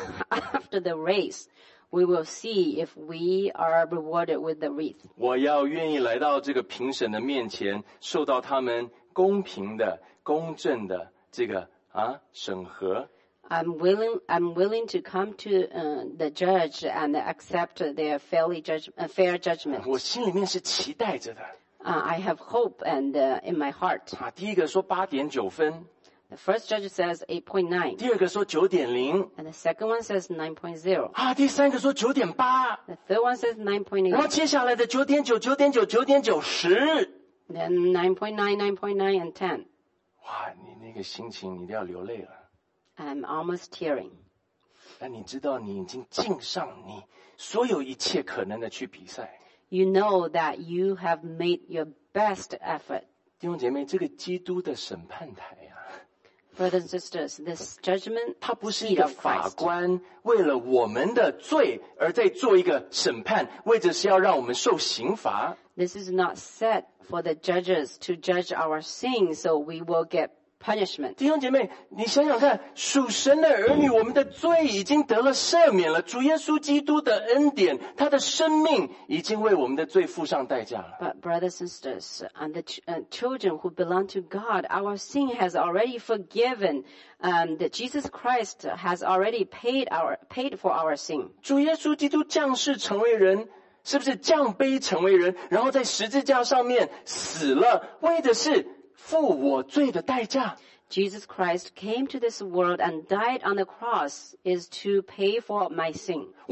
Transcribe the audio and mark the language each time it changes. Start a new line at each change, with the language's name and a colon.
English: After the race, we will see if we are rewarded with the wreath.
Chinese: 我要愿意来到这个评审的面前，受到他们公平的、公正的这个审核。
English: I'm willing to come to the judge and accept their fair judgment.
Chinese: 我心里面是期待着的。
English: I have hope and in my heart.
Chinese: 第一个说八点九分。
English: The first judge says 8.9.
Chinese: 第二个说九点零。
English: And the second one says 9.0.
Chinese: 第三个说九点八。
English: The third one says 9.8.
Chinese: 然后接下来的九点九、九点九、九点九十。
English: Then 9.9, 9.9, and 10.
Chinese: 哇，你那个心情，你都要流泪了。
English: I'm almost tearing.
Chinese: 但你知道，你已经尽上你所有一切可能的去比赛。
English: You know that you have made your best effort.
Chinese: 弟兄姐妹，这个基督的审判台啊。
English: Brothers and sisters, this judgment.
Chinese: 它不是一个法官为了我们的罪而在做一个审判，为的是要让我们受刑罚。
English: This is not set for the judges to judge our sins, so we will get punishment.
Chinese: 弟兄姐妹，你想想看，属神的儿女，我们的罪已经得了赦免了，主耶稣基督的恩典，他的生命已经为我们的罪付上代价了。
English: But brothers and sisters, and the children who belong to God, our sin has already forgiven, that Jesus Christ has already paid for our sin.
Chinese: 主耶稣基督降世成为人，是不是降卑成为人，然后在十字架上面死了，为的是付我罪的代价。
English: Jesus Christ came to this world and died on the cross is to pay for my sin.